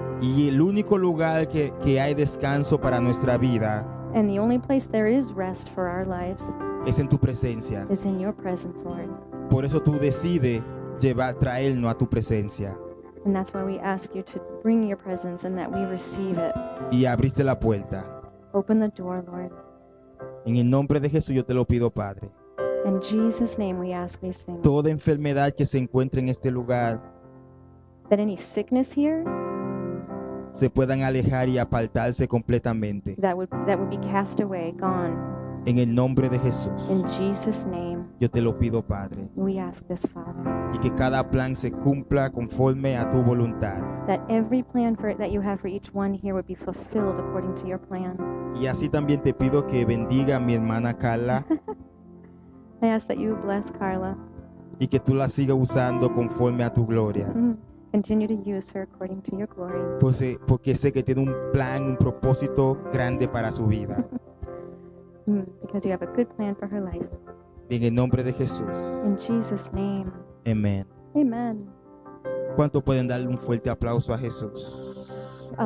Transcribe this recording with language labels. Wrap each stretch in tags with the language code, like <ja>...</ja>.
<es>Y el único lugar que hay descanso para nuestra vida.</es> <en>And the only place there is rest for our lives.</en> <es>Es en tu presencia.</es> <en>Is in your presence, Lord.</en> <es>Por eso tú decides traernos a tu presencia.</es> <en>And that's why we ask you to bring your presence and that we receive it.</en> <es>Y abriste la puerta.</es> <en>Open the door, Lord.</en> <es>En el nombre de Jesús yo te lo pido, Padre.</es> <en>In Jesus' name we ask these things.</en> <es>Toda enfermedad que se encuentre en este lugar,</es> <en>that any sickness here,</en> <es>se puedan alejar y apartarse completamente.</es> <en>That would be cast away, gone.</en> <es>En el nombre de Jesús.</es> <en>In Jesus' name.</en> <es>Yo te lo pido, Padre.</es> <en>We ask this, Father.</en> <es>Y que cada plan se cumpla conforme a tu voluntad.</es> <en>That every plan that you have for each one here would be fulfilled according to your plan.</en> <es>Y así también te pido que bendiga a mi hermana Carla.</es> <en>I ask that you bless Carla.</en> <es>Y que tú la sigas usando conforme a tu gloria.</es> <en>Continue to use her according to your glory.</en> <es>Porque sé que tiene un plan, un propósito grande para su vida.</es> <en>Because you have a good plan for her life.</en> <es>En el nombre de Jesús.</es> <en>In Jesus' name.</en> <es>Amen.</es> <en>Amen.</en> <es>¿Cuánto pueden darle un fuerte aplauso a Jesús?</es>